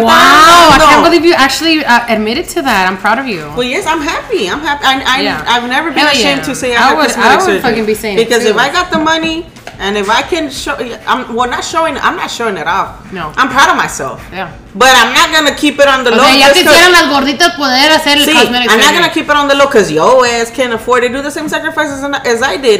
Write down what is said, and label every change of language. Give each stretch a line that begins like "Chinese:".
English: wow, estar. Wow, I can't believe you actually admitted to that. I'm proud of you. Well, yes, I'm happy. I've never been ashamed to say I had cosmetic surgery. I would fucking be saying because it because if I got the money and if I can show, I'm not showing it off. No. I'm proud of myself. Yeah. But I'm not going to keep it on the low.
Spanish: Ya quisieran las gorditas poder hacer el cosmetic surgery.
English: I'm not going to keep it on the low because your ass can't afford to do the same sacrifices as I did.